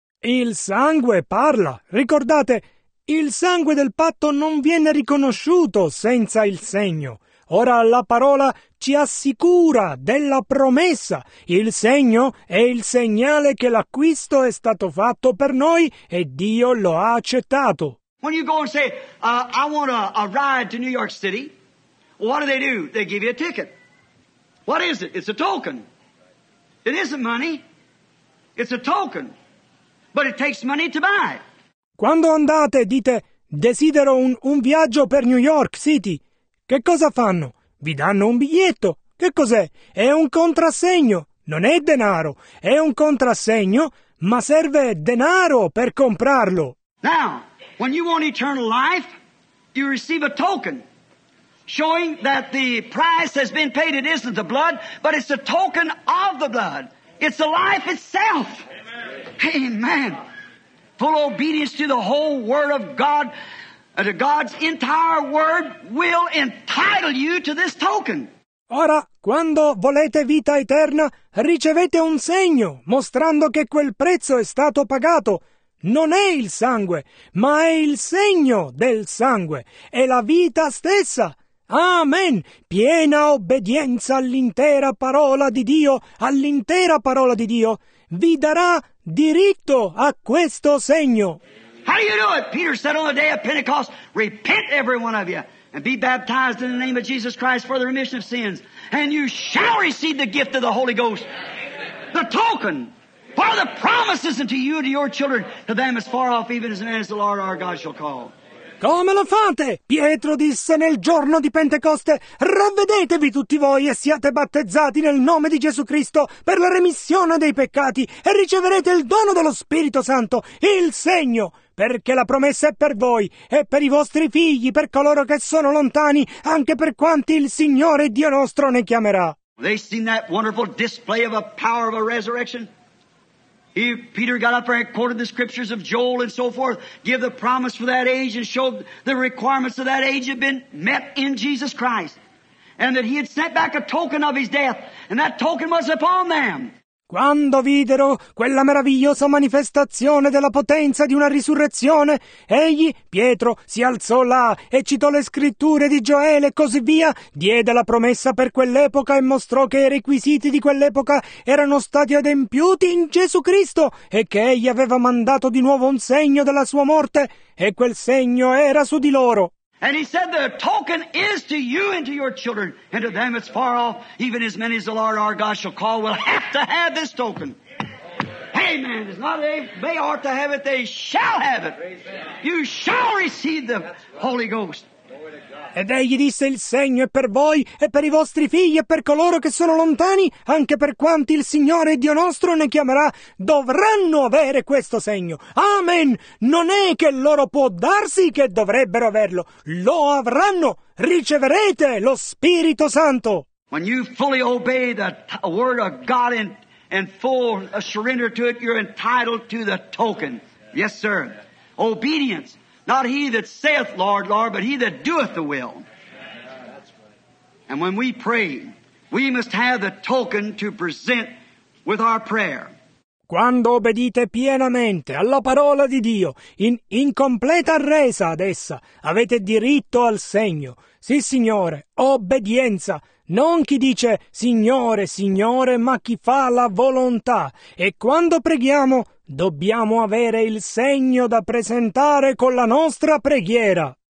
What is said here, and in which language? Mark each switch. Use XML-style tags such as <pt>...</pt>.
<it>Il sangue parla. Ricordate, il sangue del patto non viene riconosciuto senza il segno. Ora la parola ci assicura della promessa. Il segno è il segnale che l'acquisto è stato fatto per noi e Dio lo ha accettato.</it> <en>When you go and say, I want a ride to New York City, what do? They give you a ticket. What is it? It's a token. It isn't money. It's a token. But it takes money to buy.</en> <it>Quando andate, dite, desidero un viaggio per New York City. Che cosa fanno? Vi danno un biglietto. Che cos'è? È un contrassegno. Non è denaro. È un contrassegno, ma serve denaro per comprarlo.</it> <en>Now, when you want eternal life, you receive a token. Showing that the price has been paid, it isn't the blood, but it's a token of the blood. It's the life itself. Amen. Amen. Full obedience to the whole word of God, that God's entire word will entitle you to this token.</en> <it>Ora, quando volete vita eterna, ricevete un segno mostrando che quel prezzo è stato pagato. Non è il sangue, ma è il segno del sangue, è la vita stessa. Amen! Piena obbedienza all'intera parola di Dio, all'intera parola di Dio, vi darà diritto a questo segno.</it> <en>How do you do it? Peter said on the day of Pentecost, repent every one of you and be baptized in the name of Jesus Christ for the remission of sins, and you shall receive the gift of the Holy Ghost, the token. For the promise is unto you and to your children, to them as far off even as man as the Lord our God shall call.</en> <it>Come lo fate? Pietro disse nel giorno di Pentecoste, ravvedetevi tutti voi e siate battezzati nel nome di Gesù Cristo per la remissione dei peccati e riceverete il dono dello Spirito Santo, il segno, perché la promessa è per voi e per i vostri figli, per coloro che sono lontani, anche per quanti il Signore Dio nostro ne chiamerà.</it> <en>They seen that wonderful display of a power of a resurrection? Peter got up there and quoted the scriptures of Joel and so forth, give the promise for that age and showed the requirements of that age had been met in Jesus Christ, and that he had sent back a token of his death, and that token was upon them.</en> <it>Quando videro quella meravigliosa manifestazione della potenza di una risurrezione, egli, Pietro, si alzò là e citò le scritture di Gioele e così via, diede la promessa per quell'epoca e mostrò che i requisiti di quell'epoca erano stati adempiuti in Gesù Cristo e che egli aveva mandato di nuovo un segno della sua morte e quel segno era su di loro.</it> <en>And he said, the token is to you and to your children, and to them that's far off, even as many as the Lord our God shall call, will have to have this token. Amen. Amen. It's not they ought to have it, they shall have it. You shall receive the Holy Ghost.</en> <it>Ed egli disse, il segno è per voi e per i vostri figli e per coloro che sono lontani, anche per quanti il Signore Dio nostro ne chiamerà, dovranno avere questo segno. Amen! Non è che loro può darsi che dovrebbero averlo. Lo avranno! Riceverete lo Spirito Santo!</it> <en>When you fully obey the word of God and full surrender to it, you're entitled to the token. Yes, sir. Obedience. Not he that saith, Lord, Lord, but he that doeth the will. And when we pray, we must have the token to present with our prayer.</en> <it>Quando obbedite pienamente alla parola di Dio, in incompleta resa ad essa, avete diritto al segno. Sì, Signore, obbedienza. Non chi dice, Signore, Signore, ma chi fa la volontà. E quando preghiamo, dobbiamo avere il segno da presentare con la nostra preghiera.</it>